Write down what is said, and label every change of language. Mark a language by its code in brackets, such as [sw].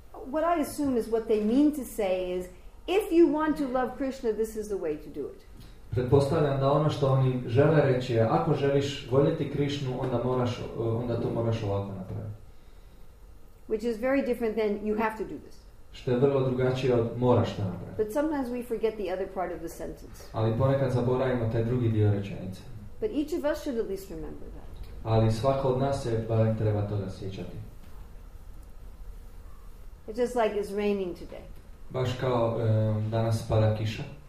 [en] What I assume is what they mean to say is if you want to love Krishna, this is the way to do it. [hr] Pretpostavljam da ono što oni žele reći je ako želiš voljeti Krišnu, onda to moraš ovako napraviti. [en] Which is very different than you have to do this. [hr] Što je vrlo drugačije od moraš to napraviti. [en] But sometimes we forget the other part of the sentence. [hr] Ali ponekad zaboravimo taj drugi dio rečenice. [en] But each of us should at least remember that. [hr] Ali svako od nas se barem treba toga sjećati. [en] It's just like it's raining today. [hr] Baš kao danas pada kiša.